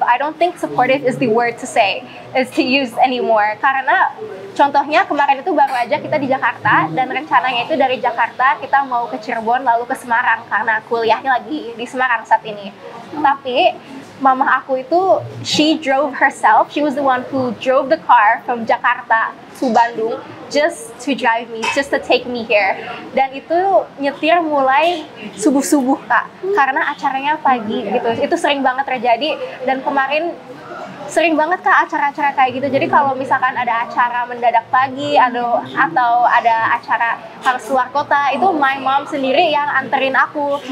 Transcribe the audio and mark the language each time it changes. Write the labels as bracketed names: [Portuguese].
[English] I don't think supportive is the word to say, is to use anymore. [Indonesian] Karena contohnya kemarin itu baru aja kita di Jakarta, dan rencananya itu dari Jakarta kita mau ke Cirebon lalu ke Semarang karena kuliahnya lagi di Semarang saat ini. Tapi mama aku itu, [English] she drove herself, she was the one who drove the car from Jakarta to Bandung just to drive me, just to take me here. [Indonesian] Dan itu nyetir mulai subuh-subuh, Kak, karena acaranya pagi gitu. Itu sering banget terjadi, dan kemarin sering banget, Kak, acara-acara kayak gitu. Jadi kalau misalkan ada acara mendadak pagi atau ada acara harus keluar kota, itu [English] my mom [Indonesian] sendiri yang anterin aku.